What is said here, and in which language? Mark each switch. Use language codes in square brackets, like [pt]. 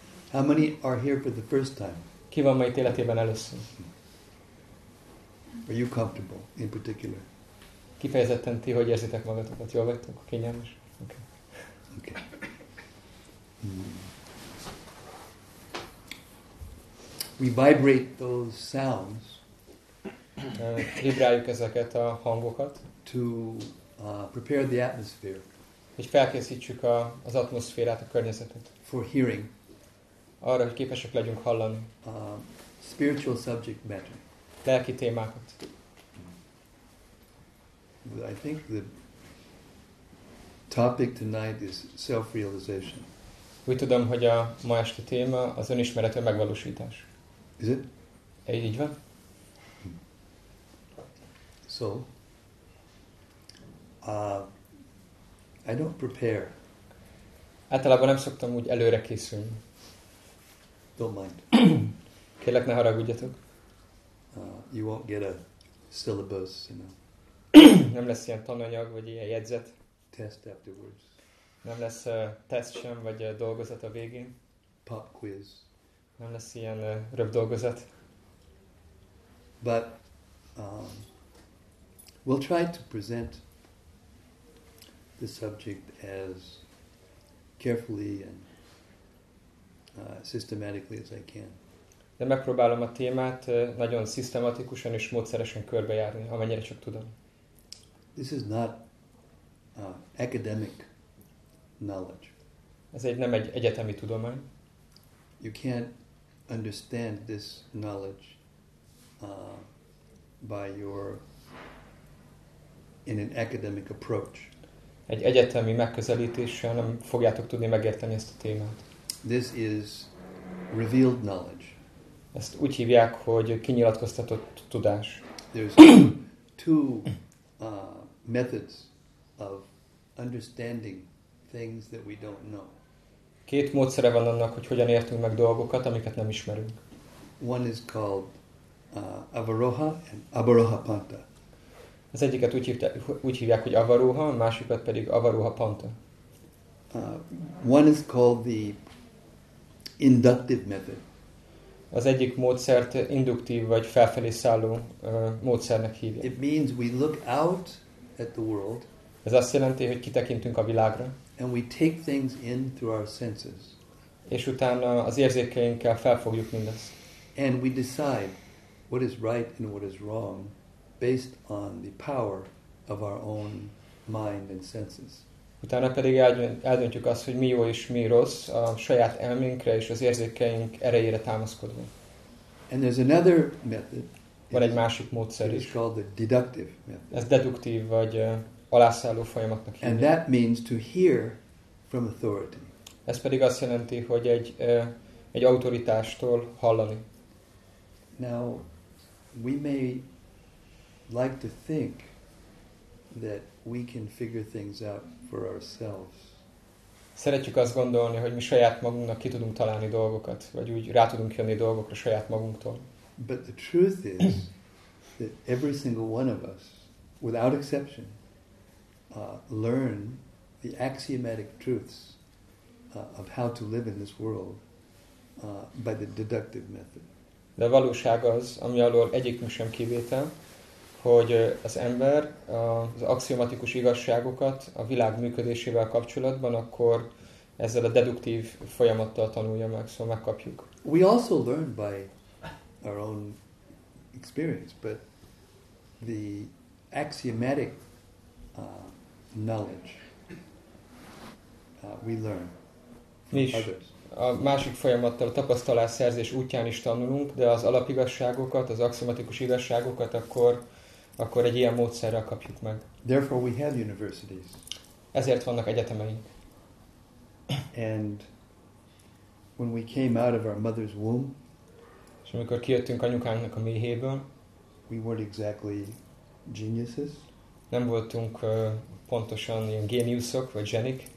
[en] How many are here for the first time? [hu] Ki van ma itt életében először? [en] Are you comfortable in particular? [hu] Kifejezetten ti, hogy érzitek magatokat? Jól vagytok? Kényelmes? [en] Okay. Okay. We vibrate those sounds [hu] vibráljuk ezeket a hangokat [en] to prepare the atmosphere. [hu] Hogy felkészítsük az atmoszférát, a környezetet. [en] For hearing. [hu] Arra, hogy képesek legyünk hallani. [en] Spiritual subject matter. [hu] Lelki témákat. [en] I think the topic tonight is self-realization. [hu] Úgy tudom, hogy a ma esti téma az önismeret, a megvalósítás. [en] Is it? [hu] Így van. [en] So, I don't prepare. [hu] Általában nem szoktam úgy előre készülni. [en] Don't mind. [hu] Kérlek, ne haragudjatok. [en] You won't get a syllabus, you know. [hu] Nem lesz ilyen tananyag, vagy ilyen jegyzet. [en] Test afterwards. [hu] Nem lesz teszt sem, vagy dolgozat a végén. [en] Pop quiz. [hu] Nem lesz ilyen röbb dolgozat. [en] But we'll try to present the subject as carefully and systematically as I can. [hu] De megpróbálom a témát nagyon szisztematikusan és módszeresen körbejárni, amennyire csak tudom. [en] This is not academic knowledge. [hu] Ez egy nem egy egyetemi tudomány. [en] You can't understand this knowledge by your in an academic approach. [hu] Egy egyetemi megközelítéssel nem fogjátok tudni megérteni ezt a témát. [en] This is revealed knowledge. [hu] Ezt úgy hívják, hogy kinyilatkoztatott tudás. [en] There's two methods of understanding things that we don't know. [hu] Két módszere van annak, hogy hogyan értünk meg dolgokat, amiket nem ismerünk. [en] One is called avaroha and avaroha panta. [hu] Az egyiket úgy hívják, hogy avaroha, a másikat pedig avaroha panta. [en] One is called the inductive method. [hu] Az egyik módszert induktív vagy felfelé szálló módszernek hívják. [en] It means we look out at the world. [hu] Ez azt jelenti, hogy kitekintünk a világra. [en] And we take things in through our senses. [hu] És utána az érzékeinkkel felfogjuk mindezt. [en] And we decide what is right and what is wrong based on the power of our own mind and senses. [hu] Utána pedig eldöntjük azt, hogy mi jó és mi rossz a saját elménkre és az érzékeink erejére támaszkodva. [en] And there's another method. [hu] Van egy másik módszer is. [en] It's called the deductive method. [hu] Ez deduktív vagy alászálló folyamatnak hívják. [en] And that means to hear from authority. [hu] Ez pedig azt jelenti, hogy egy autoritástól hallani. [en] Now, we may like to think that we can figure things out for ourselves. [hu] Szeretjük azt gondolni, hogy mi saját magunknak ki tudunk találni dolgokat, vagy úgy rá tudunk jönni dolgokra saját magunktól. [en] But the truth is that every single one of us, without exception, learn the axiomatic truths of how to live in this world by the deductive method. [hu] De a valóság az, ami alól egyikünk sem kivétel, hogy az ember az axiomatikus igazságokat a világ működésével kapcsolatban, akkor ezzel a deduktív folyamattal tanulja meg, szóval megkapjuk. [en] We also learn by our own experience, but the axiomatic knowledge we learn from others. [hu] A másik folyamattal, a tapasztalásszerzés útján is tanulunk, de az alapigazságokat, az axiomatikus igazságokat akkor egy ilyen módszerrel kapjuk meg. [en] Therefore we have universities. [hu] Ezért vannak egyetemeink. [en] And when we came out of our mother's womb, [hu] és amikor kijöttünk anyukánknak a méhéből, [en] we weren't exactly geniuses. [hu] Nem voltunk pontosan ilyen géniuszok vagy zsenik.